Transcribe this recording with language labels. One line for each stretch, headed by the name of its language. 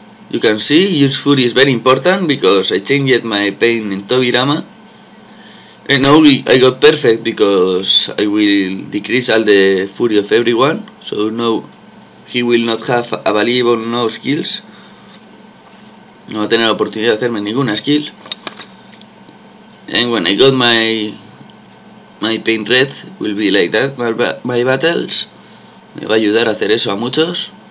English: You can see, use Fury is very important because I changed my pain in Tobirama. And now I got perfect because I will decrease all the Fury of everyone. So now he will not have available no skills.
Spanish: No va a tener la oportunidad de hacerme ninguna skill.
English: And when I got my pain red, will be like that, my battles.
Spanish: Me va a ayudar a hacer eso a muchos.